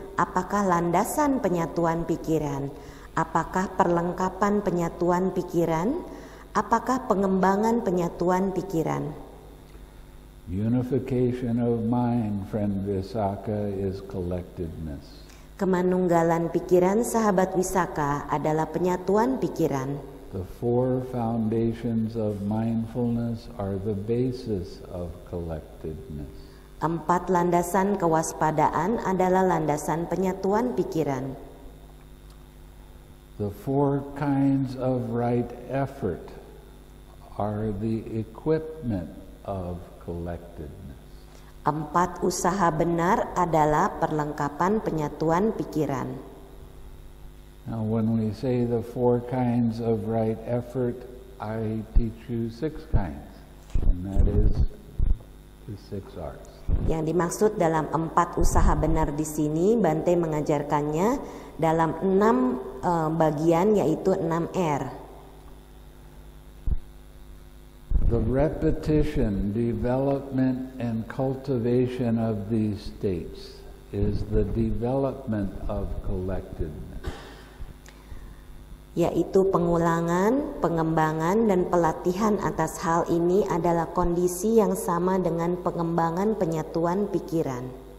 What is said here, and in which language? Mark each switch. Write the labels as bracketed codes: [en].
[id] Apakah landasan penyatuan pikiran? Apakah perlengkapan penyatuan pikiran? Apakah pengembangan penyatuan pikiran? [en] Unification of mind, friend Visakha, is collectedness. [id] Kemanunggalan pikiran, sahabat Visakha, adalah penyatuan pikiran. [en] The four foundations of mindfulness are the basis of collectedness. [id] Empat landasan kewaspadaan adalah landasan penyatuan pikiran. [en] The four kinds of right effort are the equipment of collectedness. [id] Empat usaha benar adalah perlengkapan penyatuan pikiran. [en] Now when we say the four kinds of right effort, I teach you six kinds, and that is the six arts. [id] Yang dimaksud dalam empat usaha benar di sini, Bhante mengajarkannya dalam enam bagian, yaitu enam R. [en] The repetition, development, and cultivation of these states is the development of collectedness. [id] Yaitu pengulangan, pengembangan, dan pelatihan atas hal ini adalah kondisi yang sama dengan pengembangan penyatuan pikiran.